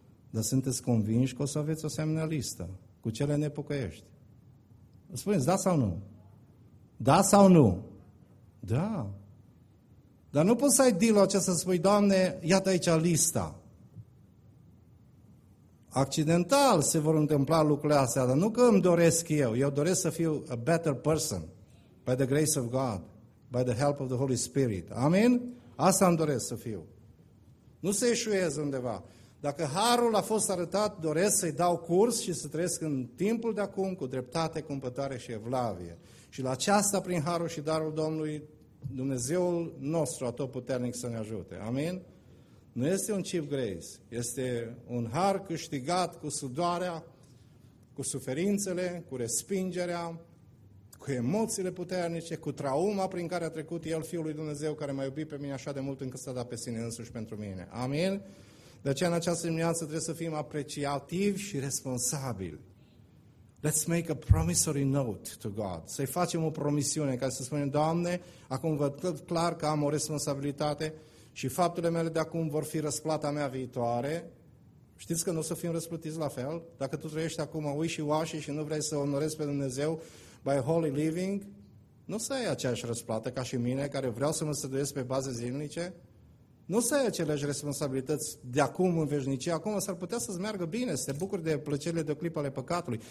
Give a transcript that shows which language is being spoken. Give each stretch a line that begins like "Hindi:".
Romanian: Dar sunteți convinși că o să aveți o asemenea listă cu cele nepocăiești? Spuneți, da sau nu? Da sau nu? Da. Dar nu poți să ai deal-ul acesta să spui, Doamne, iată aici lista. Accidental se vor întâmpla lucrurile astea, dar nu că îmi doresc eu. Eu doresc să fiu
English: a better person. By the grace of God, by the help of the Holy Spirit.
Romanian: Amin? Asta îmi doresc să fiu. Nu să eșuez undeva. Dacă harul a fost arătat, doresc să-i dau curs și să trăiesc în timpul de acum cu dreptate, cumpătare și evlavie. Și la aceasta, prin harul și darul Domnului, Dumnezeul nostru atotputernic să ne ajute. Amin? Nu este un
English: cheap grace.
Romanian: Este un har câștigat cu sudoarea, cu suferințele, cu respingerea, cu emoțiile puternice, cu trauma prin care a trecut El, Fiul lui Dumnezeu, care m-a iubit pe mine așa de mult încât s-a dat pe sine însuși pentru mine. Amin? De aceea, în această dimineață, trebuie să fim apreciativi și responsabili.
English: Let's make a promissory note to God.
Romanian: Să-i facem o promisiune, ca să spunem, Doamne, acum văd clar că am o responsabilitate și faptele mele de acum vor fi răsplata mea viitoare. Știți că nu o să fim răsplătiți la fel? Dacă tu trăiești acum wishy-washy și nu vrei să onorezi pe Dumnezeu,
English: by holy living,
Romanian: nu să ai aceeași răsplată ca și mine, care vreau să mă străduiesc pe baze zilnice, nu să ai aceleași responsabilități de acum în veșnicie, acum s-ar putea să-ți meargă bine, să te bucuri de plăcerile de o clipă ale păcatului.